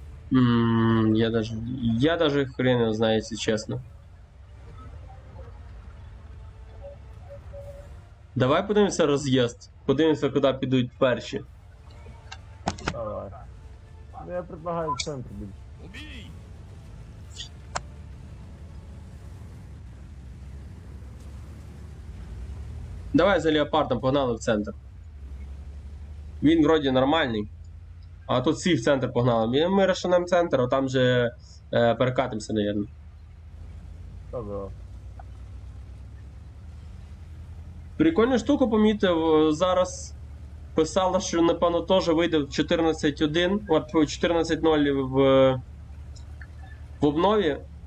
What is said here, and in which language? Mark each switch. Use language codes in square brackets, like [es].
[ru] Я даже хрен его знает, если честно. [uk] Давай подивимося роз'їзд. Подивимося, куди підуть перші. Давай. [ru] Ну я предлагаю [uk] в центр більше. Давай за леопардом погнали в центр. Він вроді нормальний. А тут всі в центр погнали. Ми розшанемо центр, а там же перекатимося, наверное. Добре. Прикольну штуку помітив, зараз писала, що напевно теж вийде в 14.1, от 14.0 в обнові.